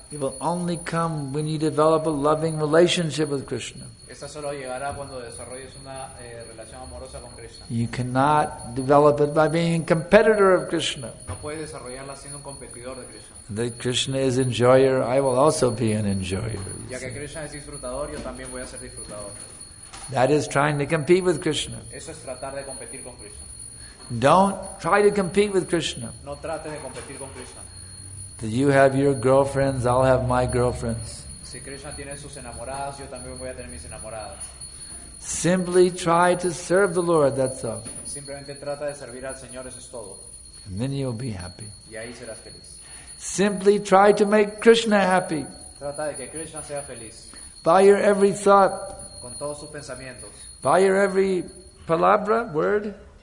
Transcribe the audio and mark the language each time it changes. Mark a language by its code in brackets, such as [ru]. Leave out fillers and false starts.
[en] it will only come when you develop a loving relationship with Krishna. [es] Esa solo llegará cuando desarrolles una relación amorosa con Krishna. [en] You cannot develop it by being a competitor of Krishna. [es] No puedes desarrollarla siendo un competidor de Krishna. [en] That Krishna is enjoyer, I will also be an enjoyer. [es] Ya que Krishna es disfrutador, yo también voy a ser disfrutador. [en] That is trying to compete with Krishna. [es] Eso es tratar de competir con Krishna. [en] Don't try to compete with Krishna. [es] No trate de competir con Krishna. [en] That you have your girlfriends, I'll have my girlfriends. [es] Si Krishna tiene sus enamoradas, yo también voy a tener mis enamoradas. [en] Simply try to serve the Lord, that's all. [es] Simplemente trata de servir al Señor, eso es todo. [en] And then you'll be happy. [es] Y ahí serás feliz. [en] Simply try to make Krishna happy. [es] Trata de que Krishna sea feliz. [en] By your every thought. [es] Con todos sus pensamientos. [en] By your every palabra, word.